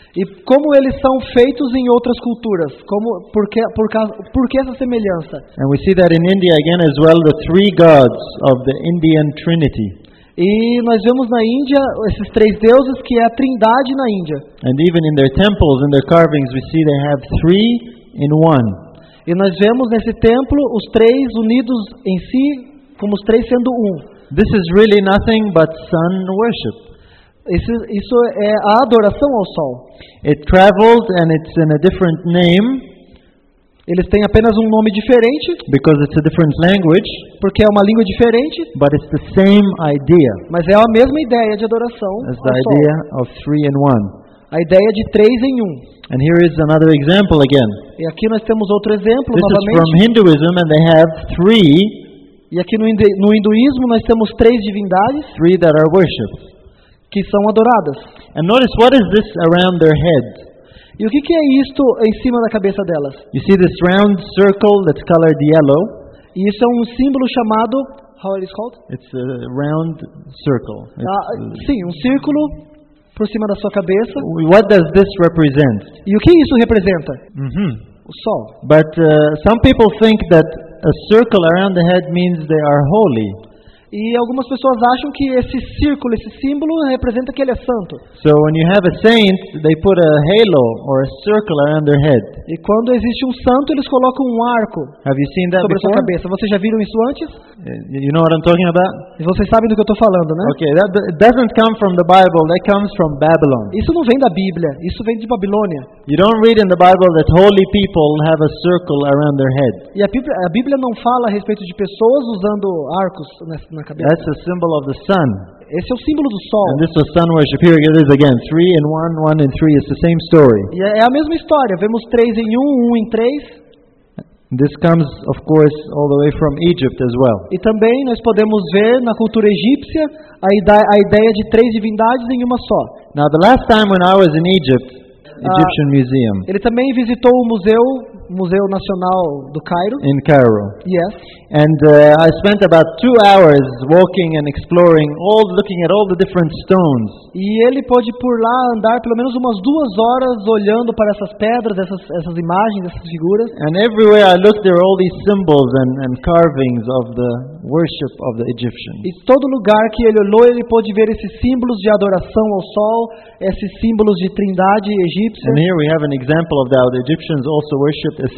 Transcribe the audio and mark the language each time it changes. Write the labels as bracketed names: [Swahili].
[Portuguese] E como eles são feitos em outras culturas? Por que essa semelhança? [English] And we see that in India again as well, the three gods of the Indian Trinity. [Portuguese] E nós vemos na Índia esses três deuses que é a Trindade na Índia. [English] And even in their temples, in their carvings, we see they have three in one. [Portuguese] E nós vemos nesse templo os três unidos em si, como os três sendo um. [English] This is really nothing but sun worship. [Portuguese] Isso é a adoração ao sol. [English] It traveled and it's in a different name. [Portuguese] Eles têm apenas um nome diferente. [English] Because it's a different language. [Portuguese] Porque é uma língua diferente. [English] But it's the same idea. [Portuguese] Mas é a mesma ideia de adoração. [English] It's the idea of three in one. [Portuguese] A ideia de três em um. [English] And here is another example again. [Portuguese] E aqui nós temos outro exemplo [English] This [Portuguese] novamente. [English] Is from Hinduism and they have three. [Portuguese] E aqui no hinduísmo nós temos três divindades. [English] Three that are worshipped. [Portuguese] Que são adoradas. [English] And notice what is this around their head. [Portuguese] E o que é isto em cima da cabeça delas? [English] You see this round circle that's colored yellow. [Portuguese] E isso é um símbolo chamado [English] how it is called? It's a round circle. [Portuguese] Sim, um círculo por cima da sua cabeça. [English] What does this represent? [Portuguese] E o que isso representa? Mm-hmm. O sol. [English] But some people think that a circle around the head means they are holy. [Portuguese] E algumas pessoas acham que esse círculo, esse símbolo, representa que ele é santo. [English] So when you have a saint, they put a halo or a circle around their head. [Portuguese] E quando existe um santo, eles colocam um arco [English] have you seen that [Portuguese] sobre [English] before? [Portuguese] Sua cabeça. Vocês já viram isso antes? [English] You know what I'm talking about? [Portuguese] E vocês sabem do que eu estou falando, né? [English] Okay, that doesn't come from the Bible. That comes from Babylon. [Portuguese] Isso não vem da Bíblia. Isso vem de Babilônia. [English] You don't read in the Bible that holy people have a circle around their head. [Portuguese] E a Bíblia não fala a respeito de pessoas usando arcos na [English] That's a symbol of the sun. [Portuguese] Esse é o símbolo do sol. [English] And this is sun worship. Here it is again. Three in one, one in three. It's the same story. [Portuguese] É a mesma história. Vemos três em um, um em três. [English] This comes, of course, all the way from Egypt as well. [Portuguese] E também nós podemos ver na cultura egípcia a ideia de três divindades em uma só. [English] Now, the last time when I was in Egypt, Egyptian Museum. [Portuguese] Ele também visitou o Museu Nacional do Cairo. [English] In Cairo. Yes. And I spent about 2 hours walking and exploring, all looking at all the different stones. [Portuguese] E ele pôde por lá andar pelo menos umas 2 horas olhando para essas pedras, essas imagens, essas figuras. [English] And everywhere I looked, there were all these symbols and carvings of the worship of the Egyptians. [Portuguese] E todo lugar que ele olhou, ele pôde ver esses símbolos de adoração ao sol, esses símbolos de trindade egípcia. [English] And here we have an example of that. The Egyptians also worship.